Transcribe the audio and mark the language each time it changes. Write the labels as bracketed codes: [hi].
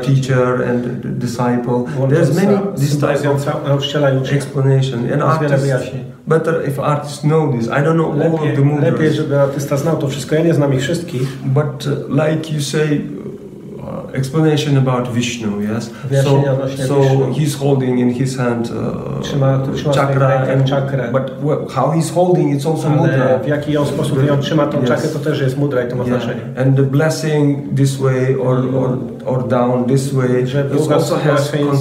[en] teacher and the disciple. There's many these types of explanation and artists. Better if artists know this. I don't know all of the mudras. [pl] Lepiej, żeby artysta znał to wszystko. Ja nie znam ich wszystkich. [en] But like you say, explanation about Vishnu, yes. So he's holding in his hand chakra, chakra. But how he's holding, it's also [pl] ale mudra. W jaki sposób on trzyma tą czakrę, to też jest mudra i to ma znaczenie. [en] And the blessing this way or down this way, it also has